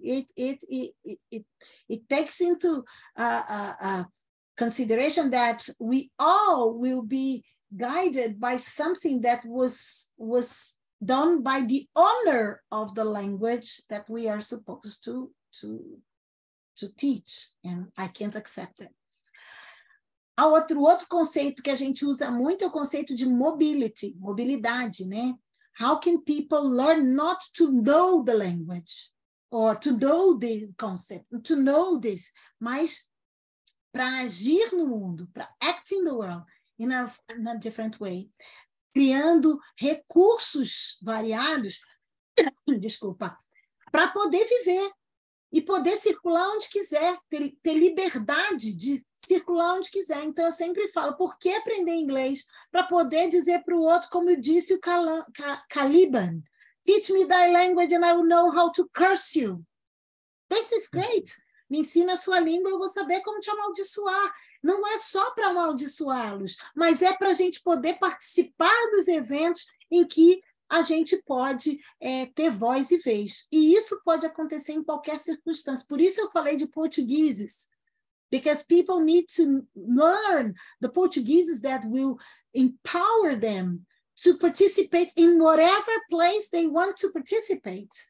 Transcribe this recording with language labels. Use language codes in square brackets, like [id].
[en] It takes into consideration that we all will be guided by something that was done by the owner of the language that we are supposed to teach, and I can't accept it. [pt] Outro conceito que a gente usa muito é o conceito de mobility, mobilidade, né? [en] How can people learn not to know the language or to know the concept, to know this, [pt] mas para agir no mundo, para [en] act in the world in a different way, [pt] criando recursos variados, desculpa, para poder viver e poder circular onde quiser, ter liberdade de circular onde quiser. Então, eu sempre falo, por que aprender inglês? Para poder dizer para o outro, como disse o Caliban, [en] teach me thy language and I will know how to curse you. This is great. [pt] Me ensina a sua língua, eu vou saber como te amaldiçoar. Não é só para amaldiçoá-los, mas é para a gente poder participar dos eventos em que a gente pode ter voz e vez. E isso pode acontecer em qualquer circunstância. Por isso eu falei de portugueses. [en] Because people need to learn the Portuguese that will empower them to participate in whatever place they want to participate.